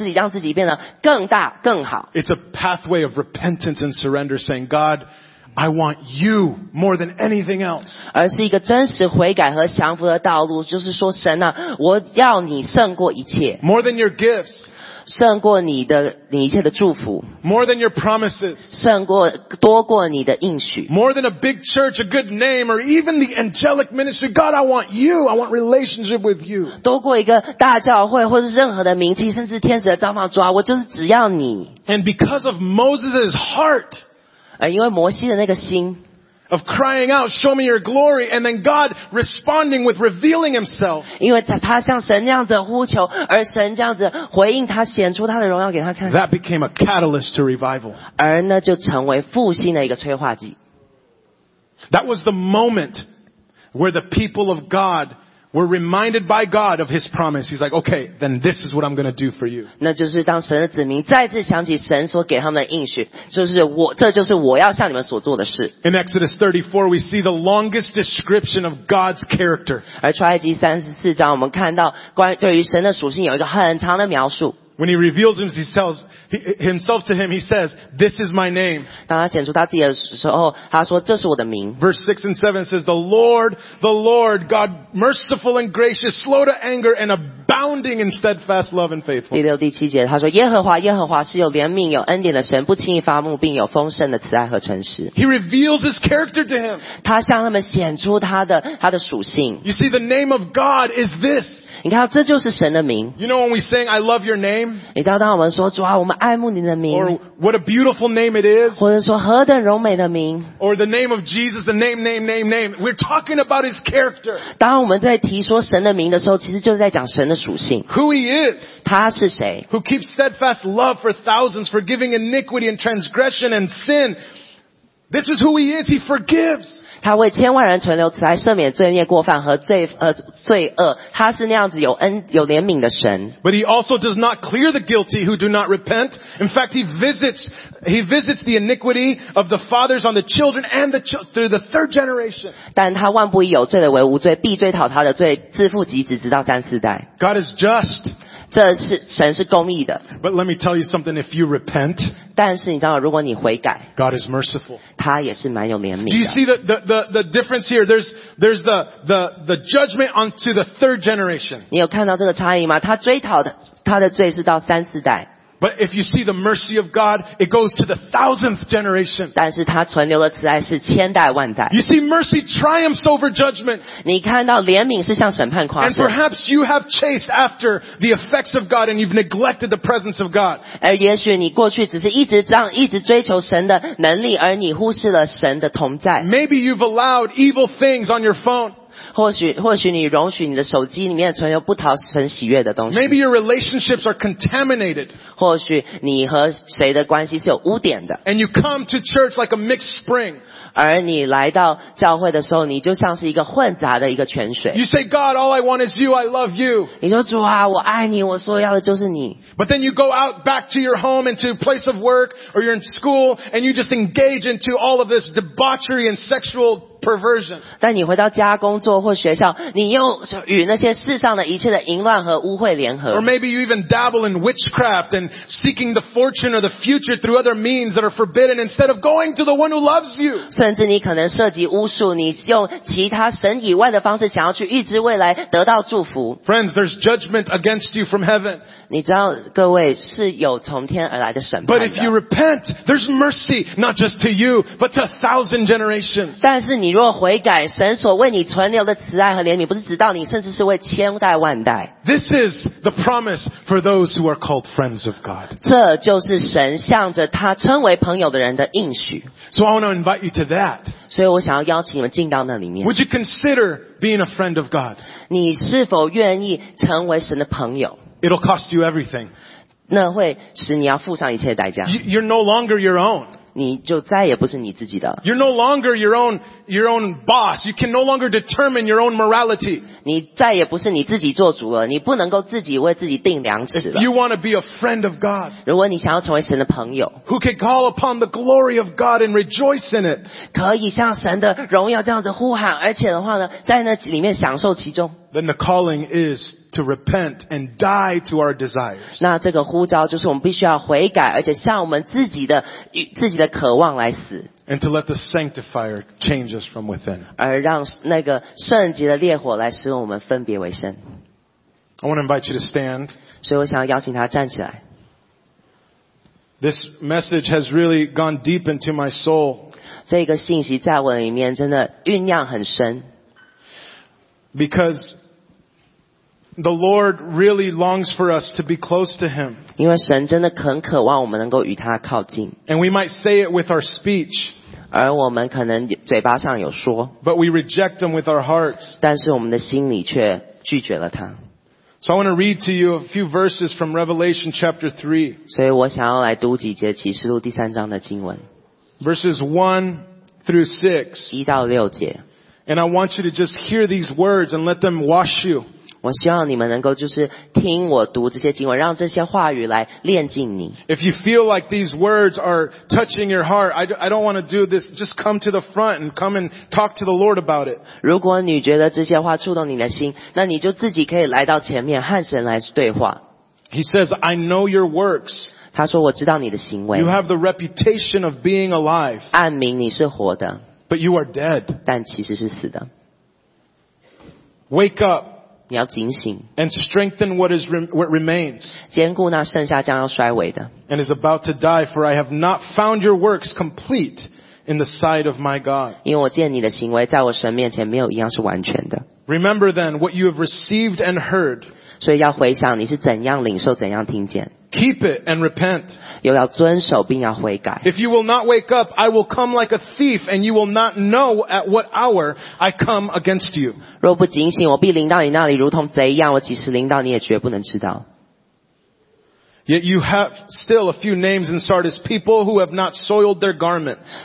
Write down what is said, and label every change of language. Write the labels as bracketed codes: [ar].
[zh] 这一个道路呢，并不是让你可以继续建造自己，让自己变得更大更好。 [en] It's a pathway of repentance and surrender, saying, God, I want you more than anything else. [zh] 而是一个真实悔改和降服的道路，就是说，神啊，我要你胜过一切。 [en] More than your gifts. [zh] 胜过你的一切的祝福。 [en] More than your promises. [zh] 胜过多过你的应许。 [en] More than a big church, a good name, or even the angelic ministry. God, I want you. I want relationship with you. [zh] 多过一个大教会，或是任何的名气，甚至天使的召唤，主啊，我就是只要你。 [en] And because of Moses' heart. [zh] 因为摩西的那个心, [en] of crying out, show me your glory, and then God responding with revealing himself. [zh] 因为他向神那样子呼求，而神这样子回应他，显出他的荣耀给他看。 [en] That became a catalyst to revival. [zh] 而那就成为复兴的一个催化剂。 [en] That was the moment where the people of God We're reminded by God of His promise. He's like, okay, then this is what I'm going to do for you. [zh] 那就是当神的子民再次想起神所给他们的应许，就是我，这就是我要向你们所做的事。 [en] In Exodus 34, we see the longest description of God's character. [zh] 而出埃及34章，我们看到关于对于神的属性有一个很长的描述。 [en] When he reveals himself to him, he says, this is my name. [zh] 当他显出他自己的时候，他说，这是我的名。 [en] Verse 6 and 7 says, the Lord, God merciful and gracious, slow to anger and abounding in steadfast love and faithfulness. [zh] 第六、第七节，他说，耶和华，耶和华是有怜悯、有恩典的神，不轻易发怒，并有丰盛的慈爱和诚实。 [en] He reveals his character to him. [zh] 他向他们显出他的属性。 [en] You see, the name of God is this. [zh] 你看，这就是神的名。 [en] You know when we sing, I love your name? [zh] 你知道当我们说主啊，我们爱慕你的名。 [en] Or what a beautiful name it is. [zh] 或者说何等柔美的名。 [en] Or the name of Jesus, the name, name, name, name. We're talking about His character. [zh] 当我们在提说神的名的时候，其实就是在讲神的属性。 [en] Who He is. [zh] 他是谁。 [en] Who keeps steadfast love for thousands, forgiving iniquity and transgression and sin. This is who He is. He forgives. [zh] 他为千万人存留慈爱，赦免罪孽过犯和罪恶。他是那样子有恩有怜悯的神。 [en] But he also does not clear the guilty who do not repent. In fact, he visits the iniquity of the fathers on the children and the through the third generation. [zh] 但他万不以有罪的为无罪，必追讨他的罪，自负己子，直到三四代。 [en] God is just. [zh] 这是神是公义的。 [en] But let me tell you something, if you repent, [zh] 但是你知道如果你悔改 [en] God is merciful. [zh] 他也是蛮有怜悯的。 [en] Do you see the difference here? There's the judgment onto the third generation. [zh] 你有看到这个差异吗？他追讨的他的罪是到三四代。 [en] But if you see the mercy of God, it goes to the thousandth generation. [zh] 但是他存留的慈爱是千代万代。 [en] You see, mercy triumphs over judgment. [zh] 你看到怜悯是向审判夸胜。 [en] And perhaps you have chased after the effects of God and you've neglected the presence of God. [zh] 而也许你过去只是一直追求神的能力，而你忽视了神的同在。 [en] Maybe you've allowed evil things on your phone. [zh] 或许你容许你的手机里面存有不讨神喜悦的东西。 [en] Maybe your relationships are contaminated. [zh] 或许你和谁的关系是有污点的。 [en] And you come to church like a mixed spring. [zh] 而你来到教会的时候，你就像是一个混杂的一个泉水。 [en] You say, God, all I want is you. I love you. [zh] 你说主啊，我爱你，我所要的就是你。 [en] But then you go out back to your home into place of work or you're in school and you just engage into all of this debauchery and sexual. [zh] 但你回到家工作或学校，你又与那些世上的一切的淫乱和污秽联合。 [en] Or maybe you even dabble in witchcraft and seeking the fortune or the future through other means that are forbidden instead of going to the one who loves you. [zh] 甚至你可能涉及巫术，你用其他神以外的方式想要去预知未来，得到祝福。 [en] Friends, there's judgment against you from heaven. [zh] 你知道各位是有从天而来的审判的。 [en] But if you repent, there's mercy not just to you but to a thousand generations. [zh] 但是你若悔改，神所为你存留的慈爱和怜悯，不是直到你，甚至是为千代万代。 [en] This is the promise for those who are called friends of God. [zh] 这就是神向着他称为朋友的人的应许。 [en] So I want to invite you to that. [zh] 所以我想要邀请你们进到那里面。 [en] Would you consider being a friend of God? [zh] 你是否愿意成为神的朋友 [en] ？It'll cost you everything. [zh] 那会使你要付上一切代价。 [en] You're no longer your own. [zh] 你就再也不是你自己的。 [en] You're no longer your own boss. You can no longer determine your own morality. [zh] 你再也不是你自己做主了，你不能够自己为自己定量尺了。 [en] If you want to be a friend of God, [zh] 如果你想要成为神的朋友 [en] ，who can call upon the glory of God and rejoice in it? [zh] 可以向神的荣耀这样子呼喊，而且的话呢，在那里面享受其中。 [en] Then the calling is. To repent and die to our desires. [zh] 那这个呼召就是我们必须要悔改，而且向我们自己的渴望来死。 [en] And to let the sanctifier change us from within. [zh] 而让那个圣洁的烈火来使我们分别为圣。 [en] I want to invite you to stand. [zh] 所以我想要邀请他站起来。 [en] This message has really gone deep into my soul. [zh] 这个信息在我里面真的酝酿很深。 [en] Because. The Lord really longs for us to be close to Him. [zh] 因为神真的很渴望我们能够与他靠近。 [en] And we might say it with our speech. [zh] 而我们可能嘴巴上有说。 [en] But we reject Him with our hearts. [zh] 但是我们的心里却拒绝了他。 [en] So I want to read to you a few verses from Revelation chapter 3. [zh] 所以我想要来读几节启示录第三章的经文。 [en] Verses 1 through 6. [zh] 1到6节。 [en] And I want you to just hear these words and let them wash you. [zh] 我希望你们能够就是听我读这些经文，让这些话语来炼净你。 [en] If you feel like these words are touching your heart, I don't want to do this. Just come to the front and come and talk to the Lord about it. [zh] 如果你觉得这些话触动你的心，那你就自己可以来到前面和神来对话。 [en] He says, "I know your works." [zh] 他说我知道你的行为。 [en] You have the reputation of being alive. [zh] 暗明你是活的。 [en] But you are dead. [zh] 但其实是死的。 [en] Wake up. [zh] 你要警醒 [en] and strengthen what remains, [zh] 坚固那剩下将要衰微的 [en] and is about to die, for I have not found your works complete in the sight of my God. [zh] 因为我见你的行为在我神面前没有一样是完全的 [en] Remember then what you have received and heard. [zh] 所以要回想你是怎样领受怎样听见 [en] Keep it and repent. [zh] 又要遵守并要悔改 [en] If you will not wake up, I will come like a thief, and you will not know at what hour I come against you. [zh] 若不警醒，我必临到你那里，如同贼一样。我几时临到，你也绝不能知道。 [en] Yet you have still a few names in Sardis, people who have not soiled their garments.